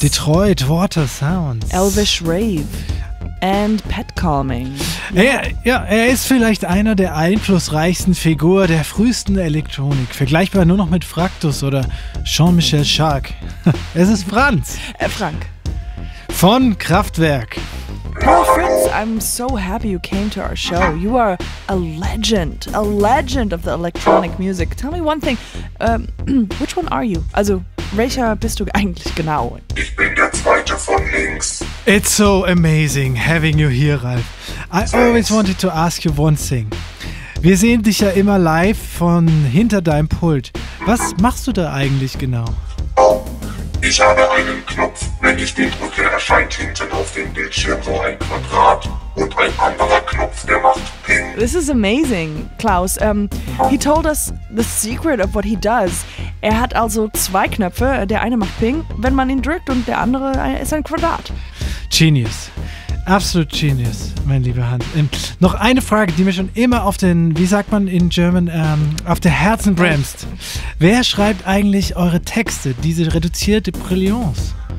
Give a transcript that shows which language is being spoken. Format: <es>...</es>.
<en>Detroit Water Sounds. Elvish Rave. And Pet Calming. Yeah.</en> <de>Er ist vielleicht einer der einflussreichsten Figur der frühesten Elektronik. Vergleichbar nur noch mit Fraktus oder Jean-Michel Jarque. Es ist Franz. Frank. Von Kraftwerk.</de> <en>Oh, Fritz, I'm so happy you came to our show. You are a legend of the electronic music. Tell me one thing, which one are you?</en> <de>Also, welcher bist du eigentlich genau? Ich bin der zweite von links.</de> <en>It's so amazing having you here, Ralf. Always wanted to ask you one thing.</en> <de>Wir sehen dich ja immer live von hinter deinem Pult. Was machst du da eigentlich genau? Ich habe einen Knopf, wenn ich den drücke, erscheint hinten auf dem Bildschirm so ein Quadrat und ein anderer Knopf, der macht Ping.</de> <en>This is amazing, Klaus. He told us the secret of what he does.</en> <de>Er hat also zwei Knöpfe, der eine macht Ping, wenn man ihn drückt, und der andere ist ein Quadrat. Genius. Absolut genius, mein lieber Hans. Noch eine Frage, die mir schon immer auf den, wie sagt man</de> <en>in German,</en> <de>auf der Herzen bremst. Wer schreibt eigentlich eure Texte, diese reduzierte Brillance?</de>